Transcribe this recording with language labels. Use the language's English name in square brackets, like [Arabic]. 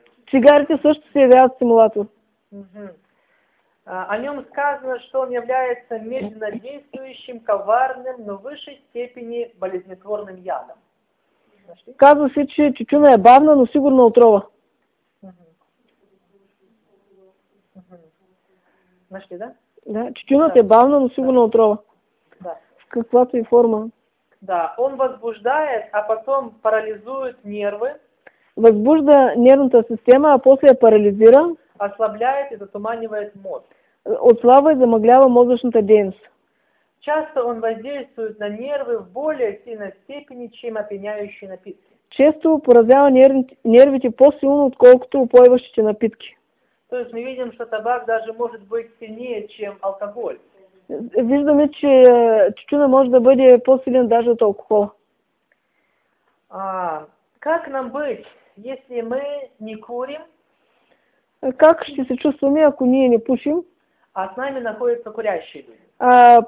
[Bulgarian] Цигарки също се являют стимулатор. [Russian] О нем сказано, что он является медленно действующим, коварным, но в высшей степени болезнетворным ядом. [Bulgarian] Казва се, че тютюна е бавна, но сигурна отрова. [Russian] Нашли, да? [Bulgarian] Да, тютюнът е бавна, но сигурна отрова. Да. В каквато и форма. [Russian] Да, он възбуждает, а потом парализует нервы. [Bulgarian] Възбужда нервната система, а после парализира. [Russian] Ослабляет и затуманивает мозг. [Bulgarian] Отслабва и замъглява мозъчната дейност. [Russian] Часто он воздействует на нервы в более сильной степени, чем опьяняющие напитки. [Bulgarian] Често поразява нервите по-силно, отколкото упоиващите напитки. [Russian] То есть мы видим, что табак даже может быть сильнее, чем алкоголь. [Bulgarian] Виждаме, че тютюна може да бъде по-силен даже от алкохола. [Russian] Как нам быть, если мы не курим? [Bulgarian] Как ще се чувстваме, ако ние не пушим? [Russian] А с нами находятся курящие люди.